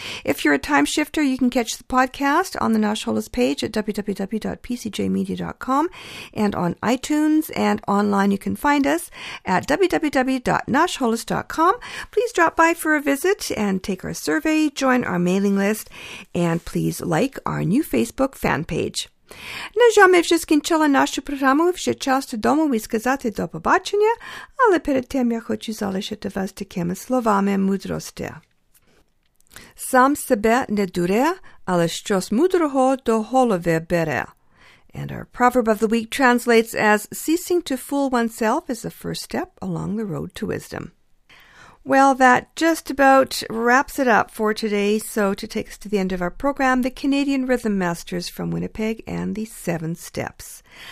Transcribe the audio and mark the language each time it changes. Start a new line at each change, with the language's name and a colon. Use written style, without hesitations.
English: If you're a time shifter, you can catch the podcast on the Nash Holos page at www.pcjmedia.com and on iTunes, and online you can find us at www.nashholos.com. Please drop by for a visit and take our survey, join our mailing list, and please like our new Facebook fan page.
Ukrainian: На жаль, ми вже скінчили нашу програму, вже час додому і сказати до побачення, але перед тим я хочу залишити вас такими словами мудрості. Сам себе не дуре, але щось мудрого до голови бере.
English: And our proverb of the week translates as, ceasing to fool oneself is the first step along the road to wisdom. Well, that just about wraps it up for today. So to take us to the end of our program, the Canadian Rhythm Masters from Winnipeg and the Seven Steps.